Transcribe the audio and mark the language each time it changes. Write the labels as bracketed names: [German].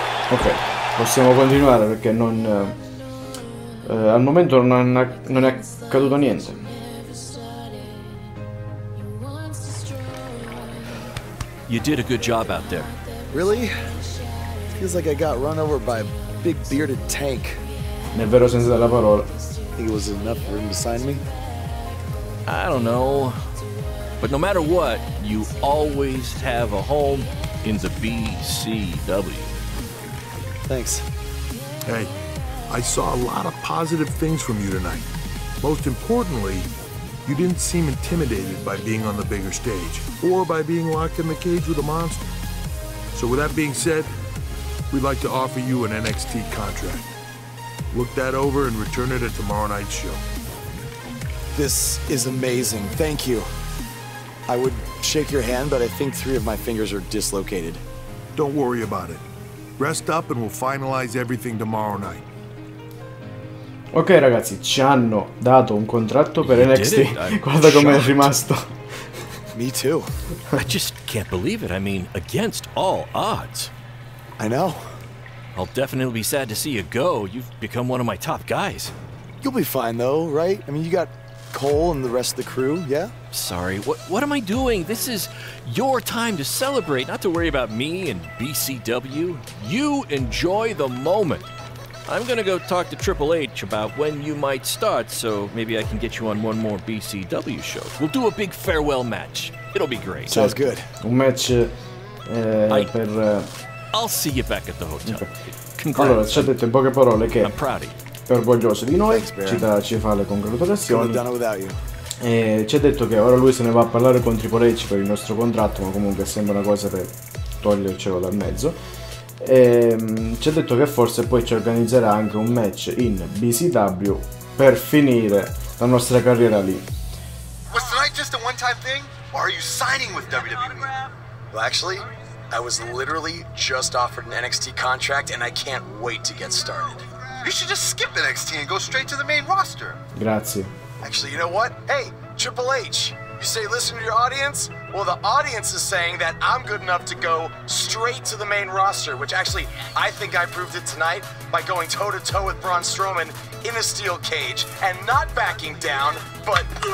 [Italian] Ok, possiamo continuare perché non... al momento non è accaduto niente. [English] You did a good job out there. Really? Feels like I got run over by a big bearded tank. [Italian] Nel vero senso della parola. [English] Think it was enough room to sign me? I don't know. But no matter what, you always have a home in the BCW. Thanks. Hey. I saw a lot of positive things from you tonight. Most importantly, you didn't seem intimidated by being on the bigger stage or by being locked in the cage with a monster. So with that being said, we'd like to offer you an NXT contract. Look that over and return it at tomorrow night's show. This is amazing. Thank you. I would shake your hand, but I think three of my fingers are dislocated. Don't worry about it. Rest up and we'll finalize everything tomorrow night. [Italian] Ok ragazzi, ci hanno dato un contratto per you NXT. Guarda come è rimasto. [English] Me too. I just can't believe it. I mean, against all odds. I know. I'll definitely be sad to see you go. You've become one of my top guys. You'll be fine though, right? I mean, you got Cole and the rest of the crew, yeah? Sorry. What am I doing? This is your time to celebrate, not to worry about me and BCW. You enjoy the moment. I'm gonna go talk to Triple H about when you might start, so maybe I can get you on one more BCW show. We'll do a big farewell match. It'll be great. Sounds good. [Italian] Un match per... [English] I'll see you back at the hotel. Okay. [Italian] Allora, ci ha detto in poche parole che è orgoglioso di noi. Ci fa le congratulazioni. E ci ha detto che ora lui se ne va a parlare con Triple H per il nostro contratto, ma comunque sembra una cosa per togliercelo dal mezzo. E ci ha detto che forse poi ci organizzerà anche un match in BCW per finire la nostra carriera lì. [English] Was tonight just a one-time thing, or are you signing with WWE? Well, actually, I was literally just offered an NXT contract, and I can't wait to get started. You should just skip NXT and go straight to the main roster. [Italian] Grazie. [English] Actually, you know what? Hey, Triple H, you say listen to your audience. Well, the audience is saying that I'm good enough to go straight to the main roster, which actually, I think I proved it tonight by going toe-to-toe with Braun Strowman in a steel cage and not backing down, but...